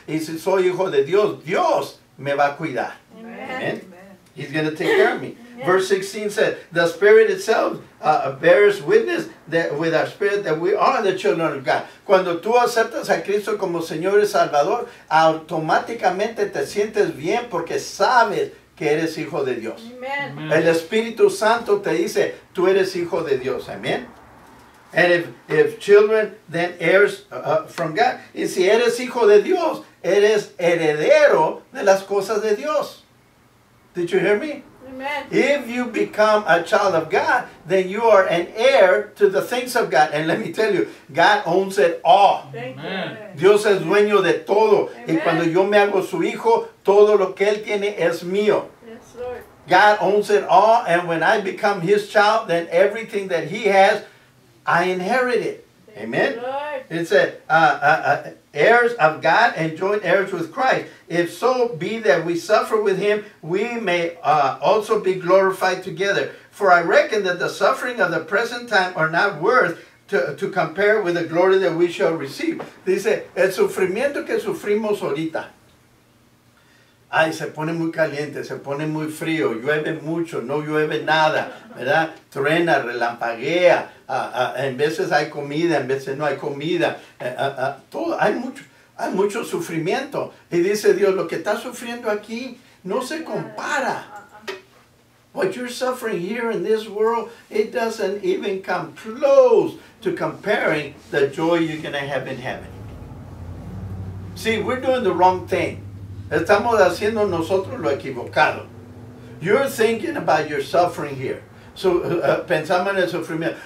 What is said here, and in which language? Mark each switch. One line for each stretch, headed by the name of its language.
Spanish: Y si soy hijo de Dios, Dios me va a cuidar.
English: Amen. Amen. He's going to take care of me. Amen. Verse 16 says, the Spirit itself bears witness that with our spirit that we are the children of God.
Spanish: Cuando tú aceptas a Cristo como Señor y Salvador, automáticamente te sientes bien porque sabes que eres hijo de Dios.
English: Amen.
Spanish: El Espíritu Santo te dice, tú eres hijo de Dios. Amén.
English: And if children, then heirs from God.
Spanish: Y si eres hijo de Dios, eres heredero de las cosas de Dios.
English: Did you hear me? Amen. If you become a child of God, then you are an heir to the things of God. And let me tell you, God owns it all. Amen.
Spanish: Dios es dueño de todo.
English: Amen.
Spanish: Y cuando yo me hago su hijo, todo lo que él tiene es mío.
English: Yes, Lord. God owns it all. And when I become his child, then everything that he has, I inherit it. Thank Amen. Lord. It said, heirs of God and joint heirs with Christ. If so be that we suffer with him, we may also be glorified together. For I reckon that the suffering of the present time are not worth to compare with the glory that we shall receive.
Spanish: Dice, el sufrimiento que sufrimos ahorita. Ay, se pone muy caliente, se pone muy frío, llueve mucho, no llueve nada, ¿verdad? Truena, relampaguea, en veces hay comida, en veces no hay comida, todo, hay mucho sufrimiento. Y dice Dios, lo que está sufriendo aquí no se compara.
English: What you're suffering here in this world, it doesn't even come close to comparing the joy you're going to have in heaven. See, we're doing the wrong thing.
Spanish: Estamos haciendo nosotros lo equivocado.
English: You're thinking about your suffering here. So,
Spanish: pensamos en el sufrimiento.